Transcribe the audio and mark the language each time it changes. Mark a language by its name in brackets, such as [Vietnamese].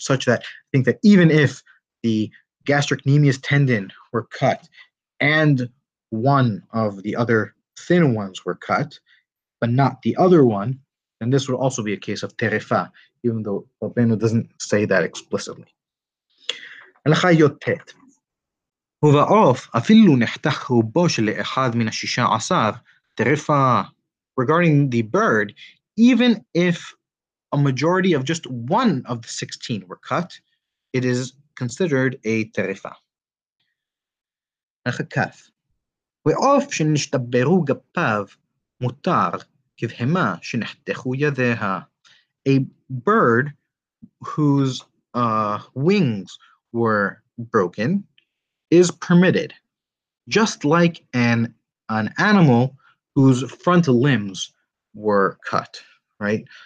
[English] Such that I think that even if the gastrocnemius tendon were cut and one of the other thin ones were cut, but not the other one, then this would also be a case of terefa, even though Rabbeinu doesn't say that explicitly. [Hebrew] הלכה יוטט. ובעוף, אפילו נחתך רובו של אחד מן השישה עשר, טרפה. [English] Regarding the bird, even if a majority of just one of the 16 were cut, it is considered a טרפה. [Hebrew] הלכה כף. ועוף שנשתברו גפיו מותר, כבהמה שנחתכו ידיה. [English] A bird whose wings were broken is permitted, just like an animal whose front limbs were cut, right?